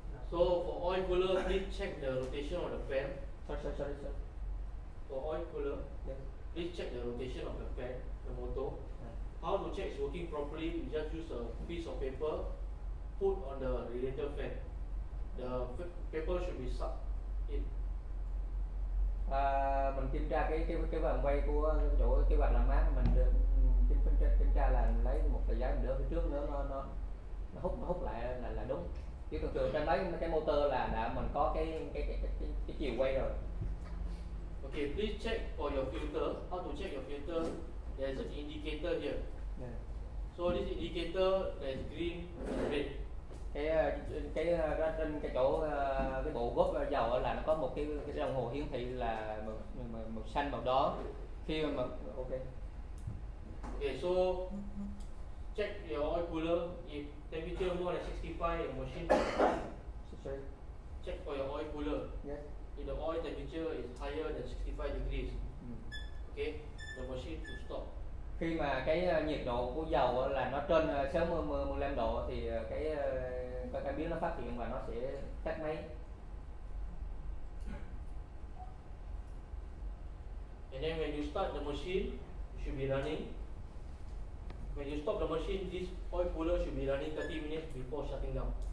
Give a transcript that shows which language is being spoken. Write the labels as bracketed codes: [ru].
[en] So for oil cooler, please check the rotation of the fan. Sorry. For oil cooler, yes. Please check the rotation of the fan, the motor. How to check it's working properly, you just use a piece of paper put on the radiator fan. The paper should be sucked in. [vi] Mình kiểm tra cái vòng quay của chỗ cái vòng làm mát, mình được kiểm tra là lấy một tờ giấy đỡ phía trước nữa nó hút lại là đúng. Chứ thực sự trong đấy cái motor là đã mình có cái chiều quay rồi. [en] Okay, please check for your filter. How to check your filter? There's an indicator here. Yeah. So this indicator is green and red. [vi] Cái chỗ cái bộ gốc dầu là nó có một cái đồng hồ hiển thị là màu xanh màu đỏ. Khi mà ok. [en] Okay, so check your oil cooler. If temperature more than 65, your machine. Sorry. Check for your oil cooler. Yes. If the oil temperature is higher than 65 degrees. Mm. Okay. The machine to stop. [vi] Khi mà cái nhiệt độ của dầu là nó trên 65 độ thì cái biến nó phát hiện và nó sẽ tắt máy. [en] And then when you start the machine, it should be running. When you stop the machine, this oil cooler should be running 30 minutes before shutting down.